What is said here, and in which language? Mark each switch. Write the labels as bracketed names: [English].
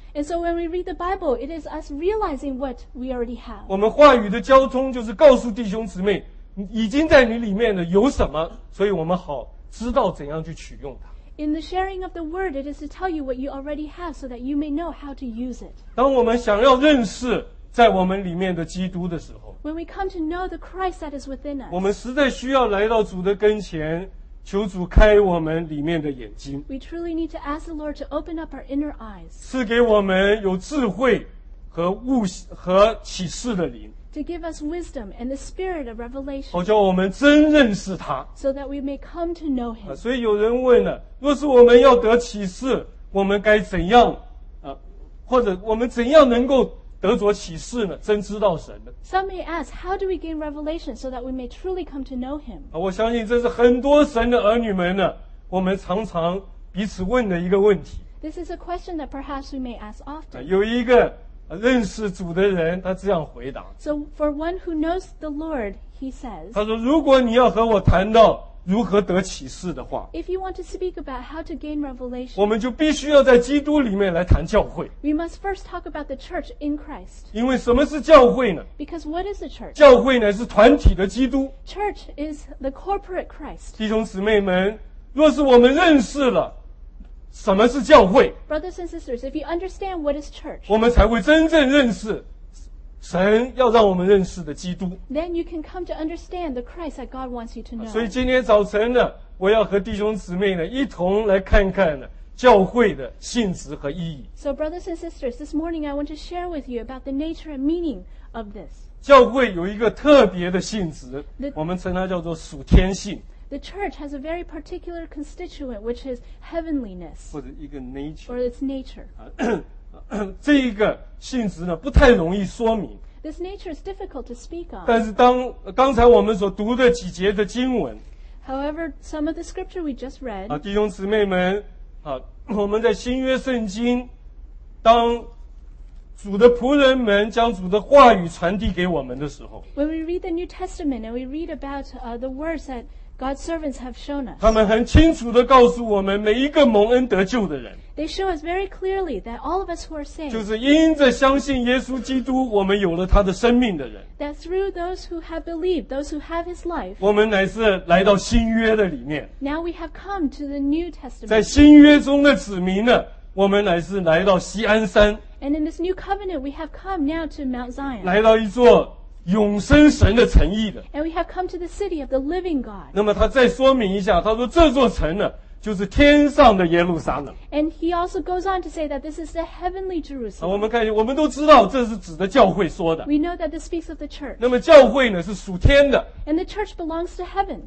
[English] and so when we read the Bible it is us realizing what we already have [Chinese] 我们话语的交通就是告诉弟兄姊妹已经在你里面的有什么所以我们好知道怎样去取用它 [English] In the sharing of the word, it is to tell you what you already have so that you may know how to use it. [Chinese] 当我们想要认识在我们里面的基督的时候 [English] When we come to know the Christ that is within us, [Chinese] 我们实在需要来到主的跟前求主开我们里面的眼睛 [English] We truly need to ask the Lord to open up our inner eyes. [Chinese] 赐给我们有智慧和悟和启示的灵 [English] To give us wisdom and the spirit of revelation. [Chinese] 好叫我们真认识他 [English] So that we may come to know him. [Chinese] 所以有人问了若是我们要得启示我们该怎样或者我们怎样能够得着启示呢真知道神呢 [English] Some may ask, how do we gain revelation so that we may truly come to know him? [Chinese] 我相信这是很多神的儿女们呢我们常常彼此问的一个问题 [English] This is a question that perhaps we may ask often. [Chinese] 有一个认识主的人，他这样回答。 [English] So for one who knows the Lord, he says. [Chinese] 他说，如果你要和我谈到如何得启示的话， [English] If you want to speak about how to gain revelation, [Chinese] 我们就必须要在基督里面来谈教会。 [English] We must first talk about the church in Christ. [Chinese] 因为什么是教会呢？ [English] Because what is the church? [Chinese] 教会乃是团体的基督。 [English] Church is the corporate Christ. [Chinese] 弟兄姊妹们，若是我们认识了什么是教会， [English] Brothers and sisters, if you understand what is church, [Chinese] 我们才会真正认识神要让我们认识的基督。 [English] Then you can come to understand the Christ that God wants you to know. [Chinese] 所以今天早晨呢，我要和弟兄姊妹呢一同来看看呢教会的性质和意义。 [English] So brothers and sisters, this morning I want to share with you about the nature and meaning of this. [Chinese] 教会有一个特别的性质，我们称它叫做属天性。 [English] The church has a very particular constituent, which is heavenliness, [Chinese] 或者一个 nature, [English] or its nature. [Chinese] 这一个性质呢，不太容易说明。 [English] This nature is difficult to speak of. [Chinese] 但是当刚才我们所读的几节的经文， [English] However, some of the scripture we just read, [Chinese] 弟兄姊妹们，我们在新约圣经，当主的仆人们将主的话语传递给我们的时候， [English] When we read the New Testament and we read about the words that God's servants have shown us. [Chinese] 他们很清楚地告诉我们每一个蒙恩得救的人。 [English] They show us very clearly that all of us who are saved. [Chinese] 就是因着相信耶稣基督，我们有了他的生命的人。 [English] That through those who have believed, those who have his life. [Chinese] 我们乃是来到新约的里面。 [English] Now we have come to the New Testament. [Chinese] 在新约中的子民呢，我们乃是来到锡安山。 [English] And in this new covenant, we have come now to Mount Zion. [Chinese] 来到一座永生神的城邑的。 [English] And we have come to the city of the living God. [Chinese] 那么他再说明一下，他说这座城呢，就是天上的耶路撒冷。 [English] And he also goes on to say that this is the heavenly Jerusalem. [Chinese] 我们看，我们都知道这是指的教会说的。 [English] We know that this speaks of the church. [Chinese] 那么教会呢，是属天的。 [English] And the church belongs to heaven.